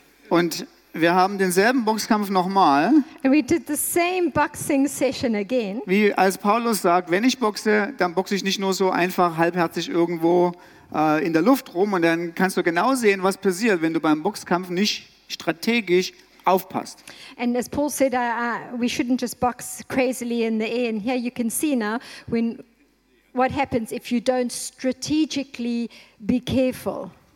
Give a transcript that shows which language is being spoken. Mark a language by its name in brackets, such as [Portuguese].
[German] Und wir haben denselben Boxkampf nochmal. [English] And we did the same boxing session again. [German] Wie als Paulus sagt, wenn ich boxe, dann boxe ich nicht nur so einfach halbherzig irgendwo in der Luft rum. Und dann kannst du genau sehen, was passiert, wenn du beim Boxkampf nicht strategisch aufpasst. [English] And as Paul said, we shouldn't just box crazily in the air. And here you can see now when what happens if you don't strategically be careful.